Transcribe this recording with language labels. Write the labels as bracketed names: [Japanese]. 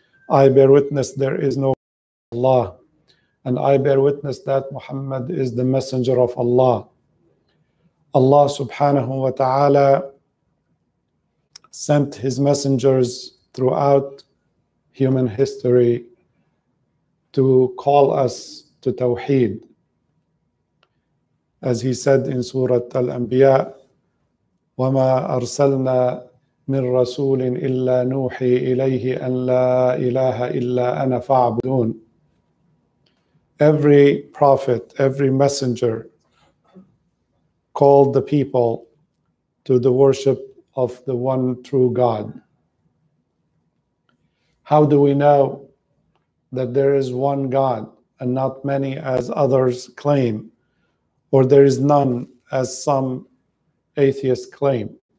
[English] I bear witness there is no Allah, and I bear witness that Muhammad is the messenger of Allah. Allah subhanahu wa ta'ala sent his messengers throughout human history to call us to Tawheed. As he said in Surah Al-Anbiya, [Arabic] وَمَا أَرْسَلْنَا مِنْ رَسُولٍ إِلَّا نُوحِي إِلَيْهِ أَنْ لَا إِلَهَ إِلَّا أَنَا فَعْبُدُونَ. [English] Every prophet, every messenger called the people to the worship of the one true God. How do we know that there is one God and not many as others claim, or there is none as some atheists claim?